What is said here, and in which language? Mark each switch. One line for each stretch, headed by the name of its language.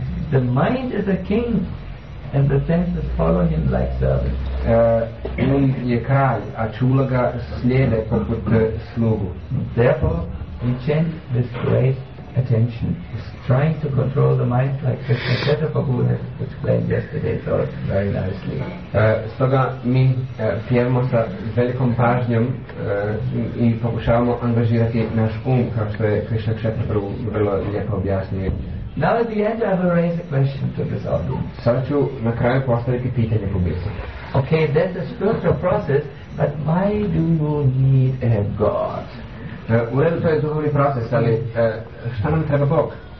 English: The mind is a king. And the senses follow him like servants.
Croatian: On je kralj, a čula ga slijede poput slugu.
English: Therefore, we chant this great attention, trying to control the mind like Krishna Chaitanya has explained yesterday so very nicely.
Croatian: Stoga mi pjevamo sa velikom pažnjom i pokušavamo angažirati naš um, kao što je Krishna Chaitanya vrlo lijepo objasnio.
English: Now at the end I will raise a question to this audience.
Croatian: Sada ću na kraju postaviti pitanje publici.
English: Okay, that's a spiritual process, but why do you need a God?
Croatian: U redu, to je duhovni proces, ali šta nam treba Bog?